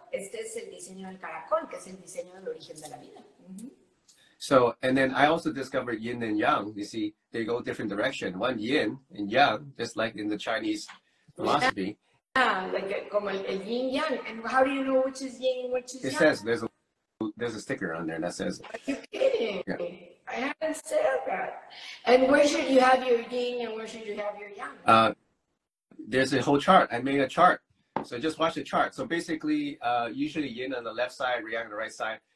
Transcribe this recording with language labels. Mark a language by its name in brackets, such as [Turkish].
[Spanish] Este es el diseño del caracol, que es el diseño del origen de la vida. Mm-hmm. [English] So, and then I also discovered yin and yang. You see, they go different direction. One yin and yang, just like in the Chinese philosophy. Yeah, like [Spanish] como el yin yang. [English] And how do you know which is yin and which is it It says, there's a sticker on there that says. Are you kidding? Yeah. I haven't said that. And where should you have your yin and where should you have your yang? There's a whole chart. I made a chart. So just watch the chart. So basically, usually yin on the left side, yang on the right side.